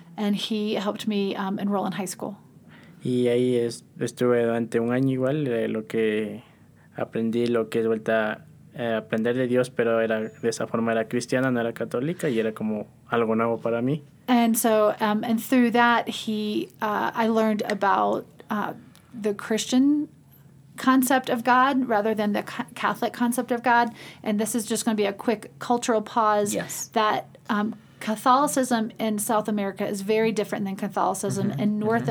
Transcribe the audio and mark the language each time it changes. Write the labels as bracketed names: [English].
[English] And he helped me enroll in high school. [Spanish] Y ahí estuve durante un año igual, lo que aprendí, lo que es vuelta a aprender de Dios, pero era de esa forma era cristiana, no era católica, y era como algo nuevo para mí. [English] And so, and through that, I learned about the Christian concept of God rather than the Catholic concept of God. And this is just going to be a quick cultural pause. Yes. That Catholicism in South America is very different than Catholicism mm-hmm. in North mm-hmm.